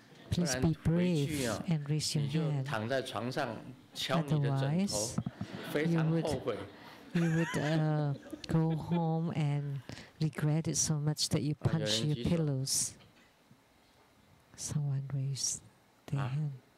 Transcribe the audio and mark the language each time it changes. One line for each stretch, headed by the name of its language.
English: please be brave and raise your hand.
Chinese: 你就躺在床上, 敲你的枕头,
English: otherwise,
Chinese: 非常后悔,
English: you would go home and regret it so much that you punch your pillows. Someone raised their hand.